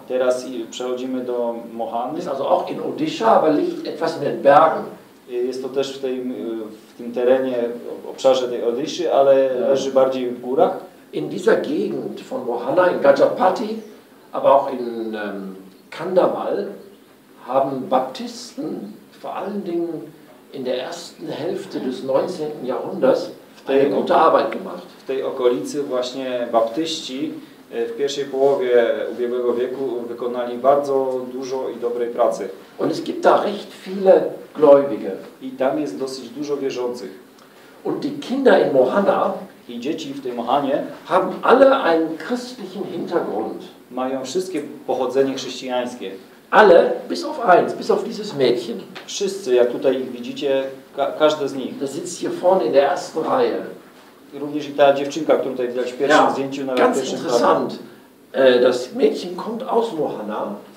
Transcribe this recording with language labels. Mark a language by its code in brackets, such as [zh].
[pl] Teraz przechodzimy do Mohany. Jest [de] also auch in Odisha, aber liegt etwas in den Bergen. [pl] Jest to też w tym terenie, w obszarze tej Odiszy, ale leży bardziej w górach. [de] In dieser Gegend von Mohana, in Gajapati, aber auch in Kandawal, haben Baptisten vor allen Dingen in der ersten Hälfte des 19. Jahrhunderts eine gute Arbeit gemacht. [pl] W tej okolicy właśnie Baptyści w pierwszej połowie ubiegłego wieku wykonali bardzo dużo i dobrej pracy. [de] Und es gibt da recht viele Gläubige. [pl] I tam jest dosyć dużo wierzących. [de] Und die Kinder in Mohana, [pl] i dzieci w tej Mohanie, [de] haben alle einen christlichen Hintergrund. [pl] Mają wszystkie pochodzenie chrześcijańskie. [de] Alle, bis auf eins, bis auf dieses Mädchen. [pl] Wszyscy, jak tutaj ich widzicie, każde z nich. [de] Das sitzt hier vorne in der ersten Reihe. [pl] Również i ta dziewczynka, którą tutaj widać w pierwszym zdjęciu, na pierwszym planie. [de] Ganz interessant. Das Mädchen kommt aus Mohana.